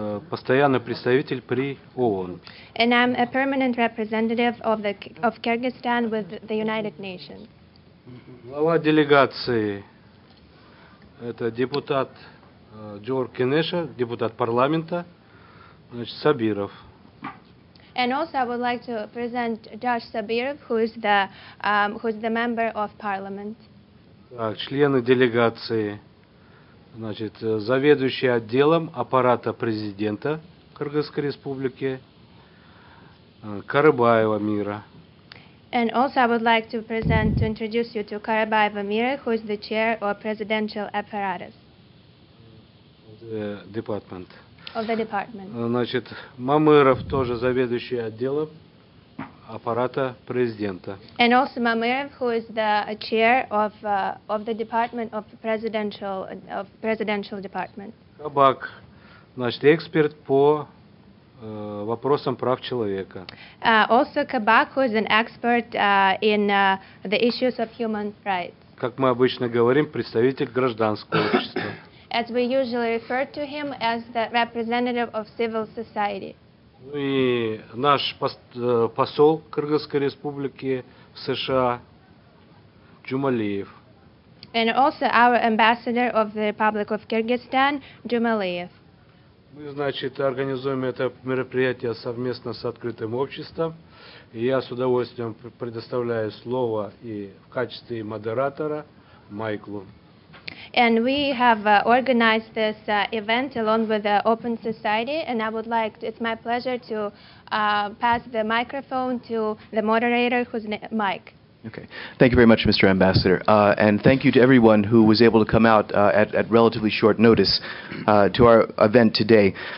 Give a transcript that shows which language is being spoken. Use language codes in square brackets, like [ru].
[ru] Постоянный представитель при ООН. [en] And I'm a permanent representative of the of Kyrgyzstan with the United Nations. [ru] Глава делегации – это депутат Джор Кенеша, депутат парламента. Значит, Сабиров. [en] And also I would like to present Josh Sabirov, who is the member of parliament. [ru] Так, члены делегации, значит, заведующий отделом аппарата президента Кыргызской Республики Карыбаева Мира. [en] And also I would like to present to introduce you to Карыбаева Мира, who is the chair of presidential apparatus. The department. Of the department. [ru] Значит, Мамыров тоже заведующий отделом аппарата президента. [en] And also Мамыров, who is the chair of the department of presidential department. [ru] Кабак, значит, эксперт по вопросам прав человека. [en] Also Кабак, who is an expert the issues of human rights. [ru] Как мы обычно говорим, представитель гражданского общества. [en] As we usually refer to him as the representative of civil society. [ru] Ну и наш посол Кыргызской Республики в США Джумалиев. [en] And also our ambassador of the Republic of Kyrgyzstan Джумалиев. [ru] Мы, значит, организуем это мероприятие совместно с открытым обществом. И я с удовольствием предоставляю слово и в качестве модератора Майклу. [en] And we have organized this event along with the Open Society, and I would like, it's my pleasure to pass the microphone to the moderator, who's Mike. Okay. Thank you very much, Mr. Ambassador. And thank you to everyone who was able to come out at relatively short notice to our event today.